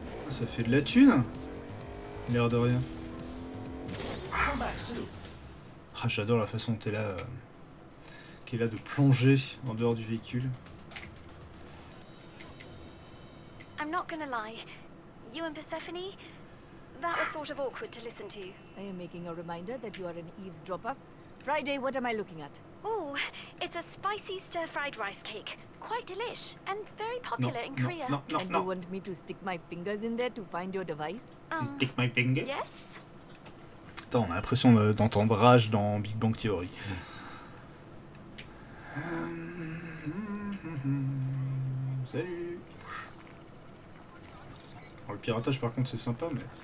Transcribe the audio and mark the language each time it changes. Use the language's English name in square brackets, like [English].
[French] Ça fait de la thune. L'air de rien. Ah, j'adore la façon dont elle a, qu'elle a de plonger en dehors du véhicule. [English] I'm not gonna lie, you and Persephone, that was sort of awkward to listen to. I am making a reminder that you are an eavesdropper. Friday, what am I looking at? Oh, it's a spicy stir-fried rice cake. Quite delish, and very popular in Korea. And you want me to stick my fingers in there to find your device? Stick my finger? Yes. [French] Attends, on a l'impression d'entendre Rage dans Big Bang Theory. Salut. Le piratage, par contre, c'est sympa, mais...